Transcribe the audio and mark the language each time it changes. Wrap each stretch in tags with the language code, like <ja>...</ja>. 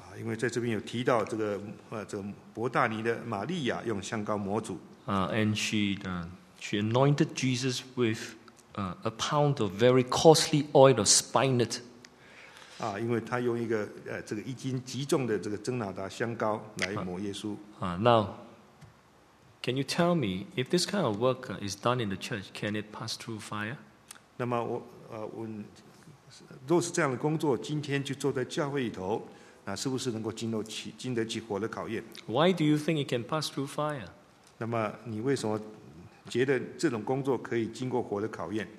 <zh>因为在这边有提到这个伯大尼的玛利亚用香膏抹主。</zh> <en>And she anointed Jesus with a pound of very costly oil of spikenard.</en> <zh>因为他用一个这个一斤极重的这个真拿达香膏来抹耶稣。</zh> <en>Now, can you tell me if this kind of work is done in the church, can it pass through fire?</en> <zh>那么我若是这样的工作，今天就坐在教会里头，那是不是能够经得起火的考验</zh> <en>？Why do you think it can pass through fire?</en> <zh>那么你为什么觉得这种工作可以经过火的考验</zh>